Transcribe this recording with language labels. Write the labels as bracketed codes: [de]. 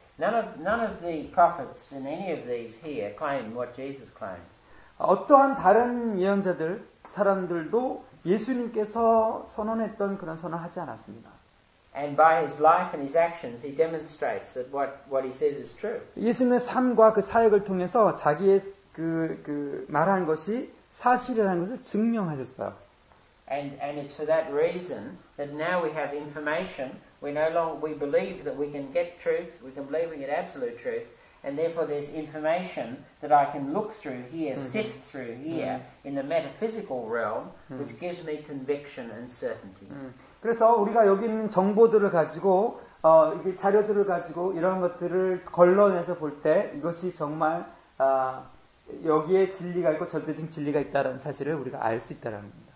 [en] None of the prophets in any of these here claim what Jesus claims. [ko] 어떠한 다른 예언자들, 사람들도 예수님께서 선언했던 그런 선언을 하지 않았습니다. [en] And by his life and his actions, he demonstrates that what he says is true. [ko] 예수님의 삶과 그 사역을 통해서 자기의 그 말한 것이 사실이라는 것을 증명하셨어요. [en] And it's for that reason that now we have information We no longer we believe that we can get truth, we can believe we get absolute truth, and therefore there's information that I can look through here, mm-hmm. sift through here mm-hmm. in the metaphysical realm, mm-hmm. which gives me conviction and certainty. Mm. [ko] 그래서 우리가 여기 있는 정보들을 가지고 이게 자료들을 가지고 이런 것들을 걸러내서 볼 때 이것이 정말 여기에 진리가 있고 절대적인 진리가 있다는 사실을 우리가 알 수 있다는 겁니다.